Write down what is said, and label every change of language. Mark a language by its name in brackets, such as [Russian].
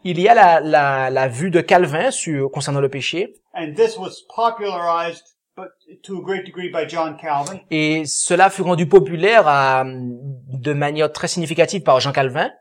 [French] Il y a la vue de Calvin concernant le péché. [English] And this was popularized to a great degree by John Calvin. [French] Et cela fut rendu populaire de manière très significative par Jean Calvin.